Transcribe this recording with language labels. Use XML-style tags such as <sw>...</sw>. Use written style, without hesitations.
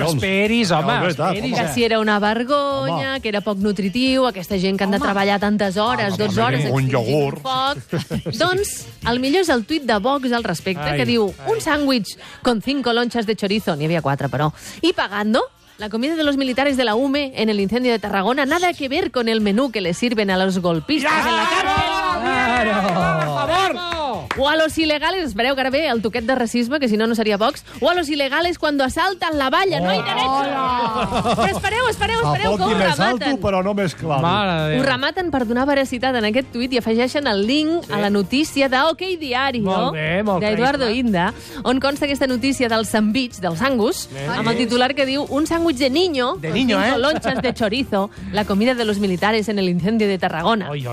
<ca>Però esperis, home, esperis. Que si era una vergonya, home, que era poc nutritiu, aquesta gent que han de treballar tantes hores, 12 hores... Un iogurt. Doncs el millor és el tuit de Vox al respecte, que diu</ca> <es>un sàndwich con 5 lonchas de chorizo,</es> <ca>n'hi havia 4, però, i pagando...</ca> <es>La comida de los militares de la UME en el incendio de Tarragona, nada que ver con el menú que le sirven a los golpistas en la cárcel. ¡Claro! ¡Por favor! O a los ilegales,</es> <ca>espereu que ara ve el toquet de racisme, que si no, no seria Vox.</ca> <es>O a los ilegales cuando asaltan la valla.</es> <ca>Oh.</ca> <es>¡No hay derecho!</es> <ca>Oh. Espereu, que ho remata. Fa poc i més alto, però no més clar. Ho rematen per donar veracitat en aquest tuit i afegeixen el link a la notícia d'OK Diario, d'Eduardo Inda, on consta aquesta notícia del sandwich, del sangus, amb el titular que diu</ca> <es>un sándwich de niño, de niño, lonchas de chorizo, la comida de los militares en el incendio de Tarragona.</es>